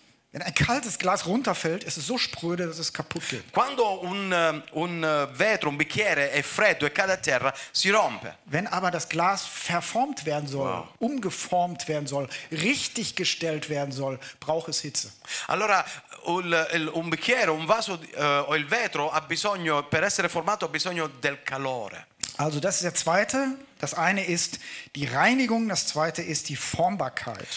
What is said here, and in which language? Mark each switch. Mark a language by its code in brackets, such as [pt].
[de] Wenn ein kaltes Glas runterfällt, ist es so spröde, dass es kaputt geht. [it] Quando un vetro, un bicchiere è freddo e cade a terra, si rompe. [de] Wenn aber das Glas verformt werden soll, wow, umgeformt werden soll, richtig gestellt werden soll, braucht es Hitze. [it] Allora, un bicchiere, un vaso o il vetro ha bisogno, per essere formato, ha bisogno del calore. [de] Also das ist der zweite. Das eine ist die Reinigung, das zweite ist die Formbarkeit.